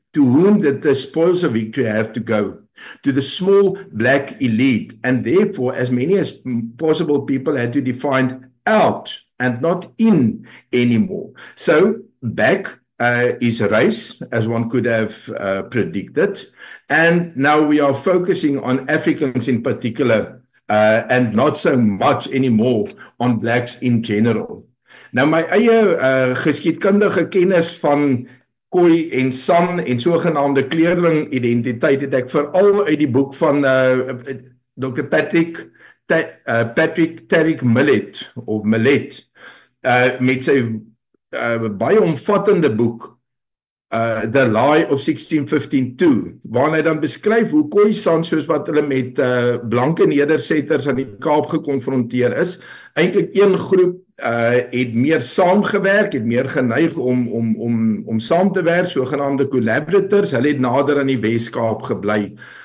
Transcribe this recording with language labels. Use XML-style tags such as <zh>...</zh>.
<en>To whom did the spoils of victory have to go? To the small Black elite, and therefore as many as possible people had to define out and not in anymore. So back is race, as one could have predicted, and now we are focusing on Africans in particular and not so much anymore on Blacks in general. Now</en> <af>my eie geskiedkundige kennis van Kooi en San en sogenaamde kleerling identiteit het ek veral uit die boek van Dr. Patrick Tarik Millet of Millet met sy baie omvattende boek The Lie of 1652, waar hy dan beskryf hoe Kooi San, soos wat hulle met blanke nedersetters aan die Kaap gekonfronteer is, eintlik een groep het meer saamgewerk, het meer geneig om saam te werk, sogenaamde collaborators, hulle het nader aan die Weskaap gebly,</af>